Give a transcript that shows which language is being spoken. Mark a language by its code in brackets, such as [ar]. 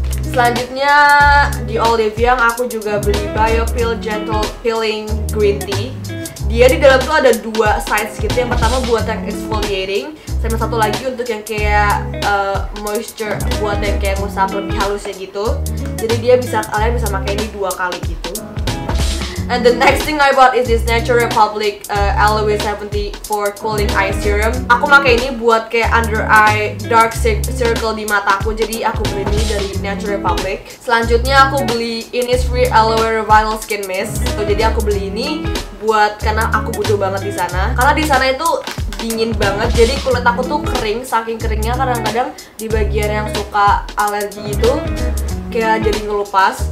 [id] Selanjutnya di Olive yang aku juga beli Biofeel Gentle Peeling Green Tea. Dia di dalam tuh ada dua size gitu. Yang pertama buat yang exfoliating, sama satu lagi untuk yang kayak moisture buat yang kayak ngusap lebih halusnya gitu. Jadi dia bisa kalian bisa pakai ini dua kali gitu. [en] And the next thing I bought is this Natural Republic Aloe 74 Cooling Eye Serum. [id] Aku pakai ini buat kayak under eye dark circle di mataku. Jadi aku beli ini dari Natural Republic. Selanjutnya aku beli Innisfree Aloe Revival Skin Mist. [en] So, [id] jadi aku beli ini buat karena aku butuh banget di sana. Karena di sana itu dingin banget, jadi kulit aku tuh kering, saking keringnya kadang-kadang di bagian yang suka alergi itu kayak jadi ngelupas.